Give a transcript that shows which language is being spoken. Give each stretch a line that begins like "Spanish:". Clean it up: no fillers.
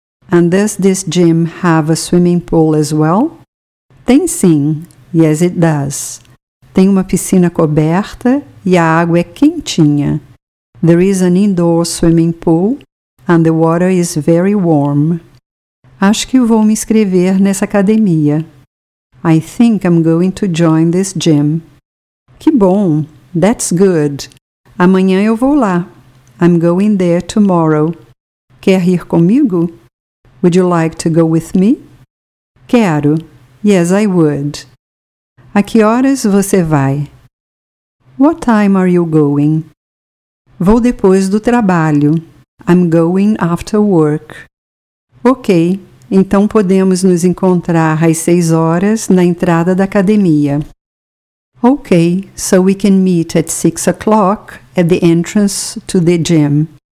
English: And does this gym have a swimming pool as well?
Portuguese: Tem sim.
English: Yes, it does.
Portuguese: Tem uma piscina coberta e a água é quentinha.
English: There is an indoor swimming pool and the water is very warm.
Portuguese: Acho que vou me inscrever nessa academia.
English: I think I'm going to join this gym.
Portuguese: Que bom.
English: That's good.
Portuguese: Amanhã eu vou lá.
English: I'm going there tomorrow.
Portuguese: Quer ir comigo?
English: Would you like to go with me?
Portuguese: Quero.
English: Yes, I would.
Portuguese: A que horas você vai?
English: What time are you going?
Portuguese: Vou depois do trabalho.
English: I'm going after work. Ok.
Portuguese: Então podemos nos encontrar às 6 horas na entrada da academia.
English: Ok, so we can meet at 6 o'clock at the entrance to the gym.